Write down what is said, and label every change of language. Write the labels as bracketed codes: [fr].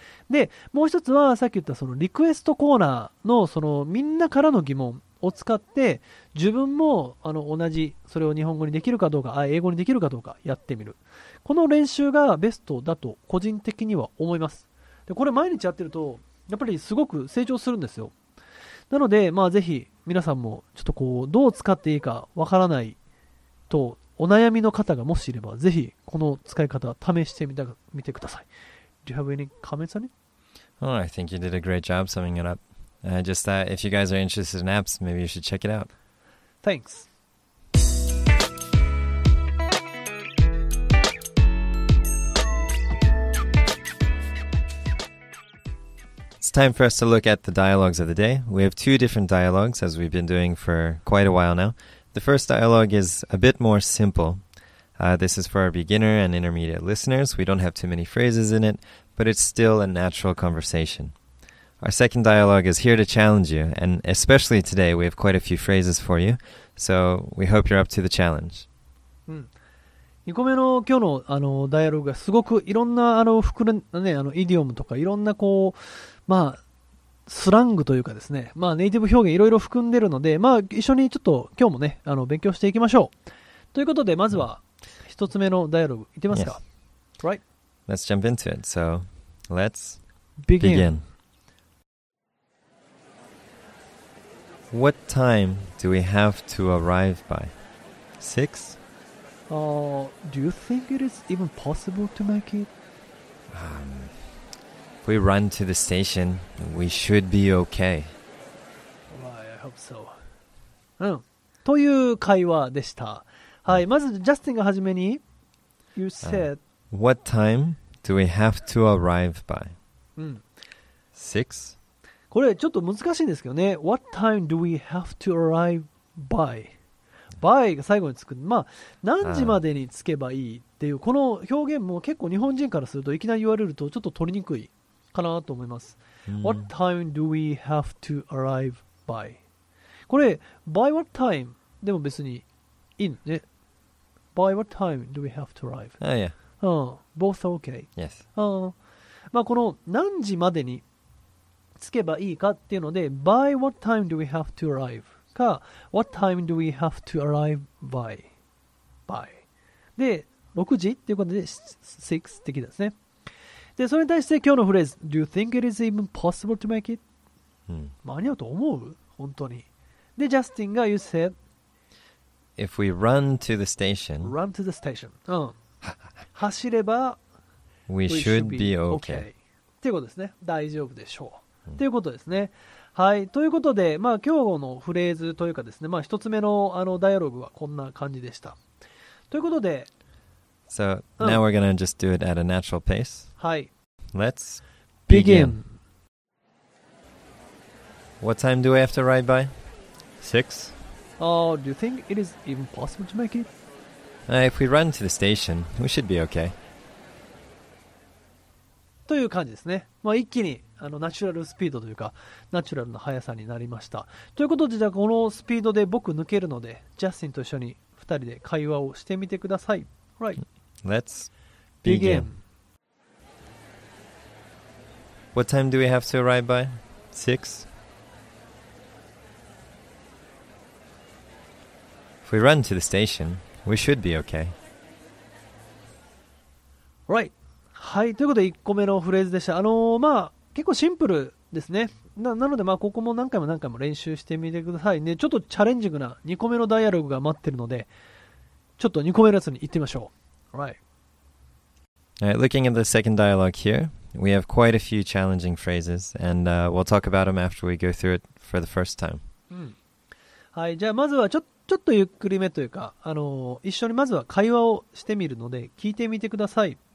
[ja] でもう一つはさっき言ったそのリクエストコーナーの、そのみんなからの疑問を使って自分もあの同じそれを日本語にできるかどうか、あ、英語にできるかどうかやってみる、この練習がベストだと個人的には思います。でこれ毎日やってるとやっぱりすごく成長するんですよ。なので、まあ、ぜひ皆さんもちょっとこうどう使っていいかわからないとお悩みの方がもしいれば、ぜひこの使い方試してみてください。 [en] Do you have any comments on it? Oh, I think you did a great job summing it up. Just that if you guys are interested in apps, maybe you should check it out. Thanks. It's time for us to look at the dialogues of the day. We have two different dialogues, as we've been doing for quite a while now. The first dialogue is a bit more simple. This is for our beginner and intermediate listeners. We don't have too many phrases in it. But it's still a natural conversation. Our second dialogue is here to challenge you, and especially today we have quite a few phrases for you, so we hope you're up to the challenge. [ja] 2個目の今日の、あのダイアログがすごくいろんな、あの、膨れ、ね、あのイディオムとかいろんなこう、まあ、スラングというかですね、まあ、ネイティブ表現いろいろ含んでるので、まあ、一緒にちょっと今日もね、あの勉強していきましょう。ということでまずは1つ目のダイアログいってますか、 [en] yes. Right? Let's jump into it. So, let's begin. What time do we have to arrive by? 6? Do you think it is even possible to make it? If we run to the station, we should be okay. Well, I hope so. [ja] という会話でした。はい、まずジャスティンがはじめに [en] You said What time? Do we have to arrive by? 6? [ja] これちょっと難しいんですけどね。 [en] What time do we have to arrive by? [ja] By が最後につく。まあ、何時までに着けばいいっていう、この表現も結構日本人からするといきなり言われるとちょっと取りにくいかなと思います。 [en] What time do we have to arrive by? [ja] これ、 [en] by what time? [ja] でも別にいいのね。 [en] by what time do we have to arrive? Oh, yeah. Both are okay. Yes. [ja] まあ、この何時までに着けばいいかっていうので、 [en] by what time do we have to arrive? か、what time do we have to arrive by? by. [ja] で、6時っていうことで、6って聞いたんですね。で、それに対して今日のフレーズ、 [en] do you think it is even possible to make it?、うん、 [ja] 間に合うと思う?本当に。で、ジャスティンが [en] you said, if we run to the station, run to the station. うん。 [ja] 走れば、 [en] We should be okay. [ja] っていうことですね。大丈夫でしょう。うん、っていうことですね。はい。ということで、まあ今日のフレーズというかですね、まあ一つ目のあのダイアログはこんな感じでした。ということで、 [en] So now we're gonna just do it at a natural pace. はい。 Let's begin. What time do I have to ride by? Six. Do you think it is even possible to make it? If we run to the station, we should be okay. [ja] という感じですね。まあ、一気にあのナチュラルスピードというか、ナチュラルな速さになりました。ということで、じゃあこのスピードで僕抜けるので、ジャスティンと一緒に2人で会話をしてみてください。 [en] Right. Let's begin. What time do we have to arrive by? Six. If we run to the station, we should be okay. Right. [ja] はい、ということで1個目のフレーズでした。まあ結構シンプルですね。なのでまあここも何回も何回も練習してみてくださいね。ちょっとチャレンジングな2個目のダイアログが待ってるので、ちょっと2個目のやつに行ってみましょう。 [en] Right. Looking at the second dialogue here, we have quite a few challenging phrases, and we'll talk about them after we go through it for the first time. [ja] はい、じゃあまずはちょっとゆっくりめというか、一緒にまずは会話をしてみるので聞いてみてください。